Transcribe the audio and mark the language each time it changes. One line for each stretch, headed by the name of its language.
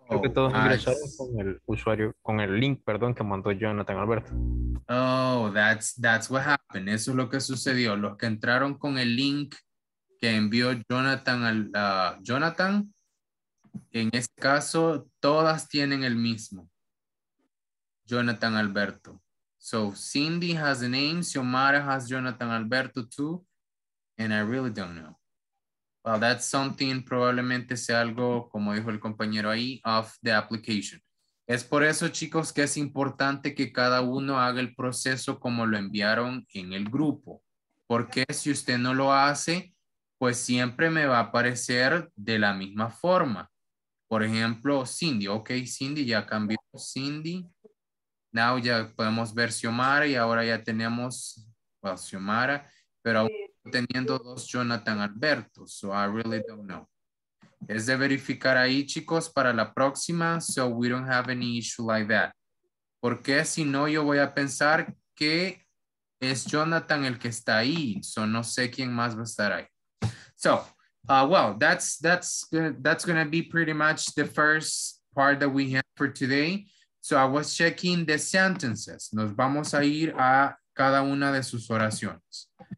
Spanish: creo que todos ingresaron con el usuario, con el link, perdón, que mandó Jonathan Alberto.
English: Oh, that's what happened.
Spanish: Eso es lo que sucedió. Los que entraron con el link que envió Jonathan al Jonathan, en este caso, todas tienen el mismo. Jonathan Alberto.
English: So Cindy has the name, Xiomara has Jonathan Alberto too, and I really don't know. Well, that's something,
Spanish: probablemente sea algo, como dijo el compañero ahí,
English: of the application.
Spanish: Es por eso, chicos, que es importante que cada uno haga el proceso como lo enviaron en el grupo. Porque si usted no lo hace, pues siempre me va a aparecer de la misma forma. Por ejemplo, Cindy. Ok, Cindy, ya cambió Cindy. Now ya podemos ver Xiomara y ahora ya tenemos well, Xiomara, pero teniendo dos Jonathan Alberto.
English: So I really don't know.
Spanish: Es de verificar ahí, chicos, para la próxima,
English: so we don't have any issue like that.
Spanish: Porque si no, yo voy a pensar que es Jonathan el que está ahí. So no sé quién más va a estar ahí.
English: So, well, that's going to be pretty much the first part that we have for today. So I was checking the sentences.
Spanish: Nos vamos a ir a cada una de sus oraciones.